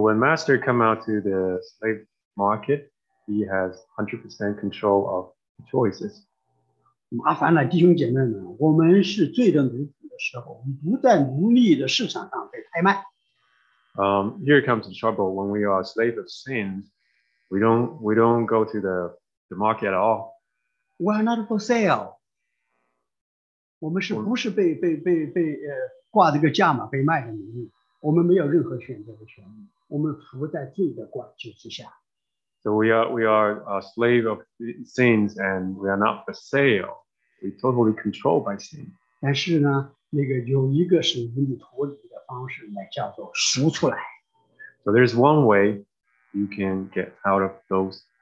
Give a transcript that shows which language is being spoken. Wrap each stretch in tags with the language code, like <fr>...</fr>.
<en>when master come out to the slave market, he has 100% control of the choices.</en> <zh>麻烦了弟兄姐妹们，我们是罪的奴仆的时候，我们不在奴隶的市场上被拍卖。Here</zh> <en>comes the trouble when we are slaves of sins, we don't go to the market at all. We are not for sale.</en> <zh>我们是不是被挂这个价码被卖的奴隶？我们没有任何选择的权利。我们服在罪的管制之下。So</zh> <en>we are slave of sins and we are not for sale. We totally controlled by sin.</en> <zh>但是呢，那个有一个使奴隶脱离的方式呢，叫做赎出来。So</zh> <en>there is one way you can get out of those.</en>